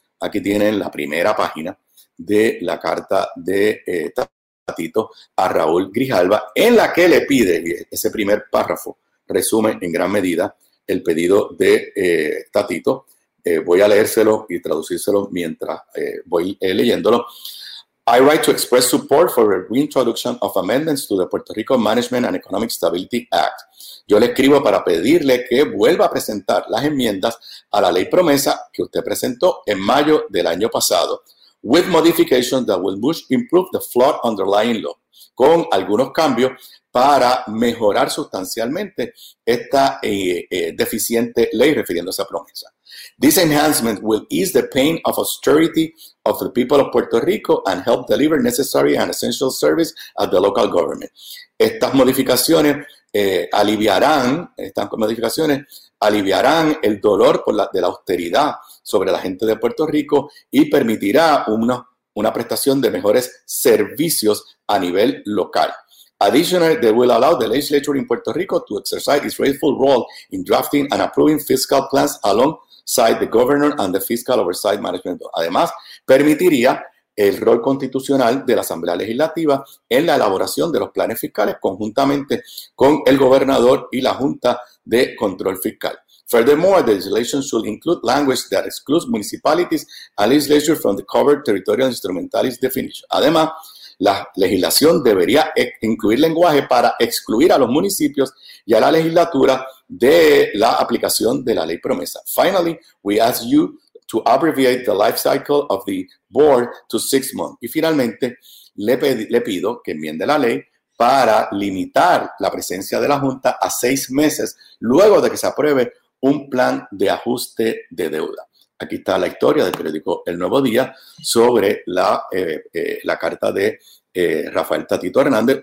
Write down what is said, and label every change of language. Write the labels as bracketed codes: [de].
[es] Aquí tienen la primera página de la carta de Tatito a Raúl Grijalva, en la que le pide, ese primer párrafo resume en gran medida el pedido de Tatito. Voy a leérselo y traducírselo mientras voy leyéndolo. [en] I write to express support for the reintroduction of amendments to the Puerto Rico Management and Economic Stability Act. [es] Yo le escribo para pedirle que vuelva a presentar las enmiendas a la ley promesa que usted presentó en mayo del año pasado, [en] with modifications that will much improve the flawed underlying law, [es] con algunos cambios para mejorar sustancialmente esta deficiente ley, refiriéndose a promesa. [en] This enhancement will ease the pain of austerity of the people of Puerto Rico and help deliver necessary and essential service at the local government. [es] Estas modificaciones aliviarán el dolor de la austeridad sobre la gente de Puerto Rico y permitirá una prestación de mejores servicios a nivel local. [en] Additionally, they will allow the legislature in Puerto Rico to exercise its rightful role in drafting and approving fiscal plans alongside the governor and the fiscal oversight management. [es] Además, permitiría el rol constitucional de la Asamblea Legislativa en la elaboración de los planes fiscales conjuntamente con el gobernador y la Junta de Control Fiscal. [en] Furthermore, the legislation should include language that excludes municipalities and legislature from the covered territorial instrumentalist definition. [es] Además, la legislación debería incluir lenguaje para excluir a los municipios y a la legislatura de la aplicación de la ley promesa. [en] Finally, we ask you to abbreviate the life cycle of the board to 6 months. [es] Y finalmente, le pido que enmiende la ley para limitar la presencia de la Junta a 6 meses luego de que se apruebe un plan de ajuste de deuda. Aquí está la historia del periódico El Nuevo Día sobre la carta de Rafael Tatito Hernández.